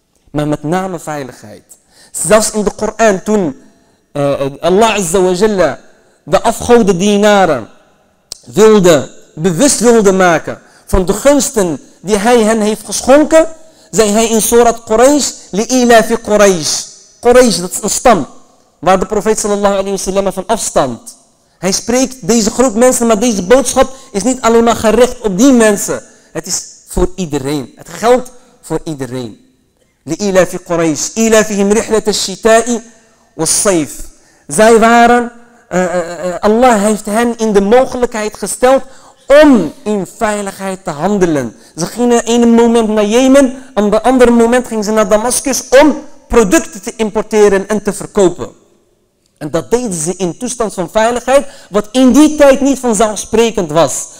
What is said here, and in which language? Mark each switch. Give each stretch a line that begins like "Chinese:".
Dutch: Maar met name veiligheid. Zelfs in de Koran, toen Allah Azza wa Jalla de afgoden dienaren bewust wilde maken van de gunsten die hij hen heeft geschonken, zei hij in Surat Quraysh, li'ila fi Quraysh. Quraysh, dat is een stam waar de profeet sallallahu alayhi wa sallam van afstamt. Hij spreekt deze groep mensen, maar deze boodschap is niet alleen maar gericht op die mensen. Het is voor iedereen. Het geldt voor iedereen.
Arabic: لإلاف قريش إلافهم رحلة الشتاء والصيف.
Dutch: Zij waren, Allah heeft hen in de mogelijkheid gesteld om in veiligheid te handelen. Ze gingen een moment naar Jemen, op een ander moment gingen ze naar Damascus om producten te importeren en te verkopen. En dat deden ze in toestand van veiligheid, wat in die tijd niet vanzelfsprekend was.